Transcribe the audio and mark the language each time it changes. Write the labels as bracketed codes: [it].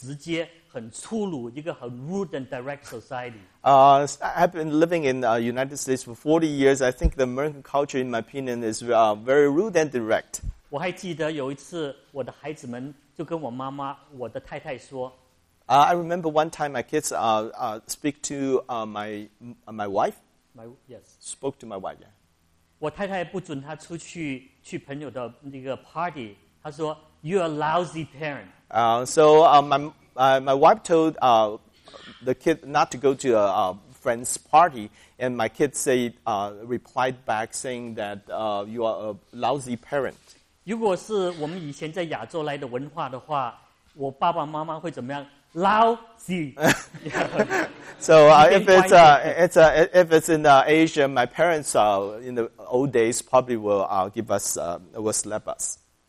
[zh] 在美国我住了40年了，有40年之久，我很感觉一个美国文化不一样的地方，就是美国文化是一个很直接、很粗鲁、一个很 [en] rude and direct society. I've been living in the United States for 40 years. I think the American culture, in my opinion, is very rude and direct. [zh] 我还记得有一次我的孩子们就跟我妈妈、我的太太说， [en] I remember one time my kids speak to my wife. Spoke to my wife. Yeah. [zh] 我太太不准她出去去朋友的那个 party. 她说 [en] you're a lousy parent. So my wife told the kid not to go to a friend's party, and my kid replied back saying that you are a lousy parent. [zh] 如果是我们以前在亚洲来的文化的话，我爸爸妈妈会怎么样？ [en] Lousy. So if it's in Asia, my parents in the old days probably will slap us.